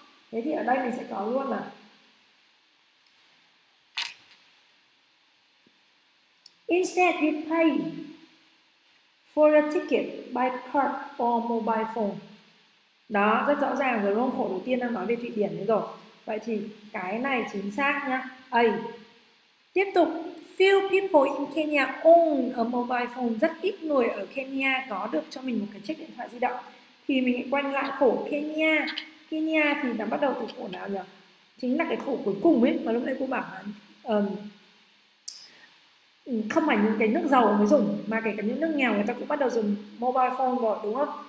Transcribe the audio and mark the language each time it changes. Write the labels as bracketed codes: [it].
[vi] Thế thì ở đây mình sẽ có luôn là [en] instead you pay for a ticket by card or mobile phone. [vi] Đó, rất rõ ràng rồi, luôn khổ đầu tiên đang nói về Thụy Điển đấy rồi. Vậy thì cái này chính xác nhá. A, Tiếp tục, [en] few people in Kenya own a mobile phone. [vi] Rất ít người ở Kenya có được cho mình một cái chiếc điện thoại di động. Thì mình hãy quay lại khổ Kenya. Kenya thì nó bắt đầu từ khổ nào nhỉ? Chính là cái khổ cuối cùng ấy mà lúc nãy cô bảo là không phải những cái nước giàu mới dùng mà kể cả những nước nghèo người ta cũng bắt đầu dùng mobile phone rồi đúng không?